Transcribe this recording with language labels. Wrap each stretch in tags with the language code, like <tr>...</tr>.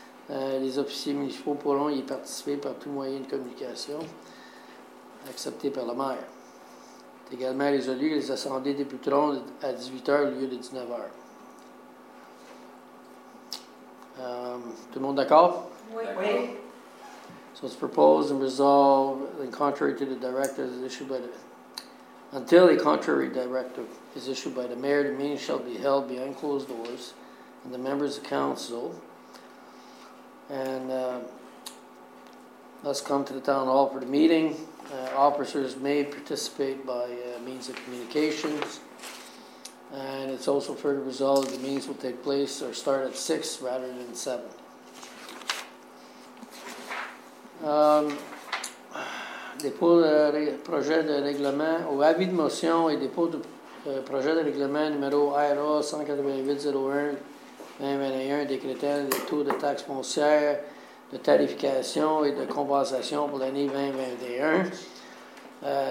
<fr>Les officiers municipaux pourront y participer par tout moyen de communication accepté par le maire. C'est également résolu que les assemblées débuteront à 18h au lieu de 19h. Tout le monde d'accord? Oui.</fr> <en>So it's proposed and resolved and contrary to the directive is issued by the until a contrary directive is issued by the mayor, the meeting shall be held behind closed doors and the members of council and must come to the town hall for the meeting. Officers may participate by means of communications. And it's also further resolved the meetings will take place or start at 6 rather than 7.</en> <fr>Dépôt de projet de règlement ou avis de motion et dépôt de projet de règlement numéro RA 188-01-2021 décrétant les taux de taxes foncières, de tarification et de compensation pour l'année 2021.</fr>